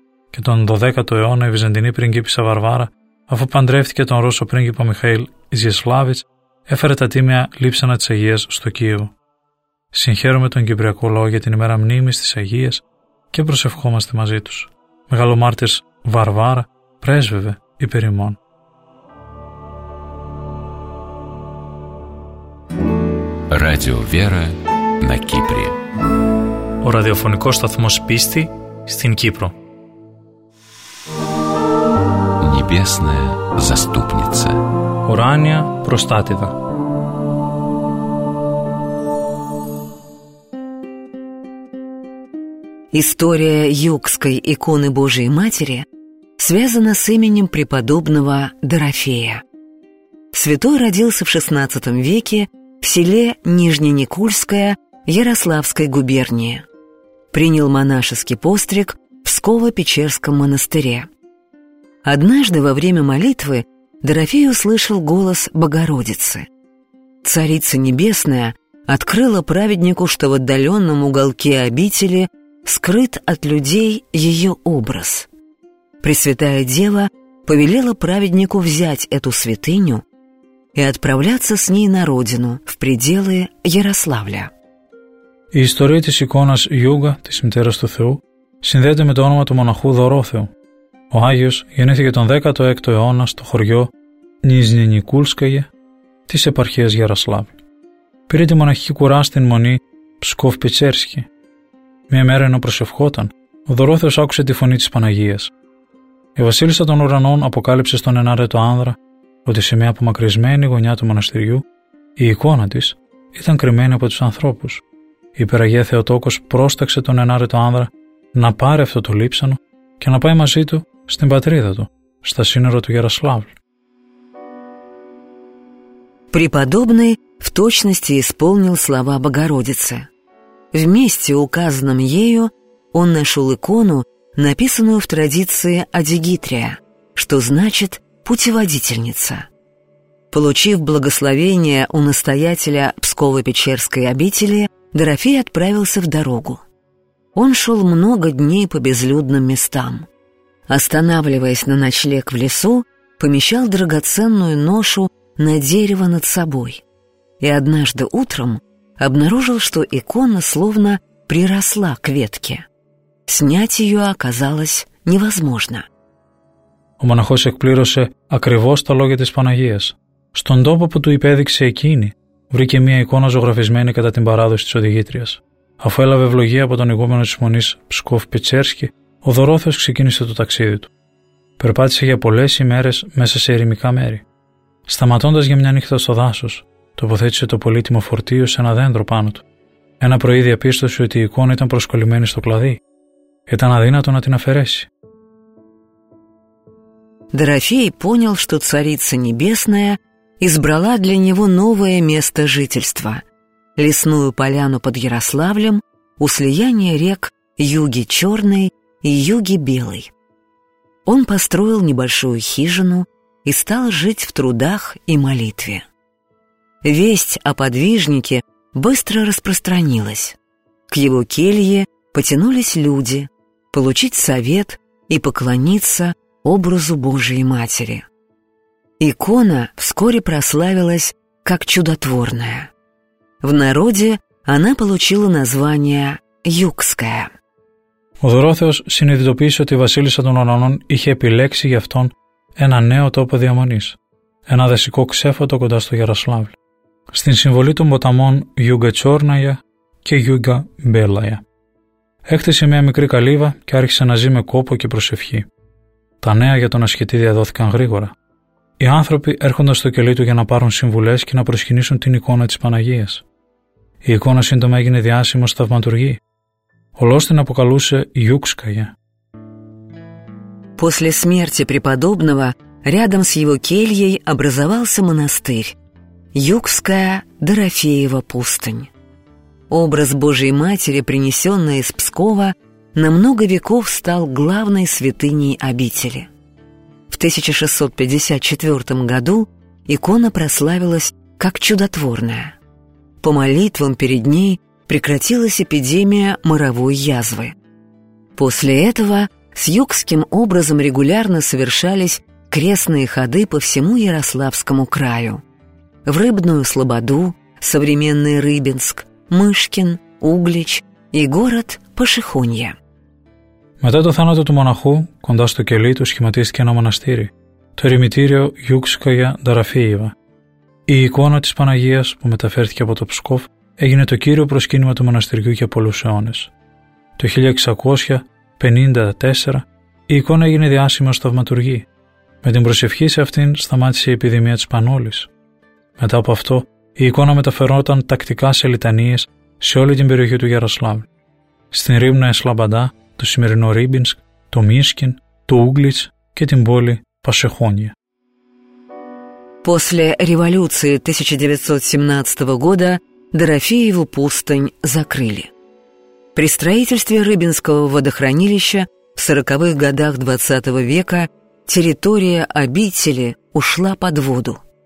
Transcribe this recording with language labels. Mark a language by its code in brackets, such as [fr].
[el] Και τον 12ο αιώνα η Βυζαντινή πριγκίπισσα Βαρβάρα, αφού παντρεύτηκε τον Ρώσο πρίγκιπα Μιχαήλ Ιζιασλάβιτς, έφερε τα τίμια λείψανα της Αγίας στο Κίεβο. Συγχαίρομαι τον Κυπριακό λαό για την ημέρα μνήμης της Αγίας και προσευχόμαστε μαζί τους. Μεγαλομάρτυρς Βαρβάρα, πρέσβευε υπέρ ημών. [ru] Ράδιο Βέρα, на Кипре. [el] Ο ραδιοφωνικός σταθμός πίστη στην Κύπρο. [ru] Небесная заступница. [el] Ουράνια προστάτηδα. [ru] История Югской иконы Божией Матери связана с именем преподобного Дорофея. Святой родился в XVI веке в селе Нижненикольское Ярославской губернии. Принял монашеский постриг в Псково-Печерском монастыре. Однажды во время молитвы Дорофей услышал голос Богородицы. Царица Небесная открыла праведнику, что в отдаленном уголке обители скрыт от людей ее образ. Пресвятая Дева повелела праведнику взять эту святыню и отправляться с ней на родину, в пределы Ярославля. [el] Η ιστορία της εικόνας Юга, της Μητέρας του Θεού, συνδέεται με το όνομα του μοναχού Δωρόθεου. Ο Άγιος γεννήθηκε τον 16ο αιώνα στο χωριό Νιζνινικούλσκαγε της επαρχίας Ιαρασλάβη. Πήρε τη μοναχική κουρά στην μονή Ψκοφ-Πιτσέρσκι. Μια μέρα ενώ προσευχόταν, ο Δωρόθεος άκουσε τη φωνή της Παναγίας. Η Βασίλισσα των Ουρανών αποκάλυψε στον ενάρετο άνδρα ότι σε μια απομακρυσμένη γωνιά του μοναστηριού η εικόνα της ήταν κρυμμένη από τους ανθρώπους. Η υπεραγία Θεοτόκος πρόσταξε τον ενάρετο άνδρα να πάρει αυτό το λείψανο και να πάει μαζί του στην πατρίδα του, στα σύνορα του Ιαρασλάβλ. [ru] Преподобный в точности исполнил слова Богородицы. В месте, указанном ею, он нашел икону, написанную в традиции Адигитрия, что значит «путеводительница». Получив благословение у настоятеля Псково-Печерской обители, Дорофей отправился в дорогу. Он шел много дней по безлюдным местам. Останавливаясь на ночлег в лесу, помещал драгоценную ношу на дерево над собой. И однажды утром обнаружил, что икона словно приросла к ветке. Снять ее оказалось невозможно. [el] Ο μοναχός εκπλήρωσε ακριβώς τα λόγια της Παναγίας. Στον τόπο που του υπέδειξε εκείνη, βρήκε μια εικόνα ζωγραφισμένη κατά την παράδοση της Οδηγήτριας. Αφού έλαβε ευλογία από τον ηγούμενο της μονής Ψκοφ-Πιτσέρσκι, ο Δωρόθεος ξεκίνησε το ταξίδι του. Περπάτησε για πολλές ημέρες μέσα σε ερημικά μέρη. Σταματώντας για μια νύχτα στο δάσος, τοποθέτησε το πολύτιμο φορτίο σε ένα δέντρο πάνω του. Ένα πρωί διαπίστωσε ότι η εικόνα ήταν προσκολλημένη στο κλαδί. Ήταν αδύνατο να την αφαιρέσει. [ru] Дорофей понял, что Царица Небесная избрала для него новое место жительства – лесную поляну под Ярославлем у слияния рек Юги Черной и Юги Белой. Он построил небольшую хижину и стал жить в трудах и молитве. Весть о подвижнике быстро распространилась. К его келье потянулись люди получить совет и поклониться образу Божией Матери. Икона вскоре прославилась как чудотворная. В народе она получила название «Югская». [el] Ο Δωρόθεος συνειδητοποίησε ότι η Βασίλισσα των Ουρανών είχε επιλέξει για αυτόν ένα νέο τόπο διαμονής, ένα δασικό ξέφωτο κοντά στο Ιαρασλάβλ, στην συμβολή των ποταμών Γιούγκα Τσόρναγια και Γιούγκα Μπέλαγια. Έκτισε μια μικρή καλύβα και άρχισε να ζει με κόπο και προσευχή. Τα νέα για τον ασχητή διαδόθηκαν γρήγορα. Οι άνθρωποι έρχονταν στο κελί του για να πάρουν συμβουλές και να προσκυνήσουν την εικόνα της Παναγίας. Η εικόνα σύντομα έγινε διάσημο στη θαυματουργή. Ολός την αποκαλούσε Юкская. [ru] После смерти преподобного рядом с его кельей образовался монастырь Юкская Дорофеева пустынь. Образ Божьей Матери, принесенный из Пскова, на много веков стал главной святыней обители. В 1654 году икона прославилась как чудотворная. По молитвам перед ней прекратилась эпидемия моровой язвы. После этого с юкским образом регулярно совершались крестные ходы по всему Ярославскому краю. В Рыбную Слободу, современный Рыбинск, Мышкин, Углич и город Пошехонье. [el] Μετά το θάνατο του μοναχού, κοντά στο κελί του σχηματίστηκε ένα μοναστήρι, το ερημητήριο Юкская Дорофеева. Η εικόνα της Παναγίας που μεταφέρθηκε από το Ψκόφ έγινε το κύριο προσκύνημα του μοναστηριού για πολλούς αιώνες. Το 1654 η εικόνα έγινε διάσημη ως θαυματουργή. Με την προσευχή σε αυτήν σταμάτησε η επιδημία της πανόλης. Μετά από αυτό, η εικόνα μεταφερόταν τακτικά σε λιτανίες σε όλη την περιοχή του Γιαροσλάβλ. Στην Ρύμνα Σλαμπαντά, το σημερινό Ρίμπινσκ, το Μίσκιν, το Ούγκλιτς και την πόλη Πασεχόνια. [ru] После революции 1917 года Дорофееву пустынь закрыли. При строительстве Рыбинского водохранилища в 40-х годах 20 века территория обители ушла под воду.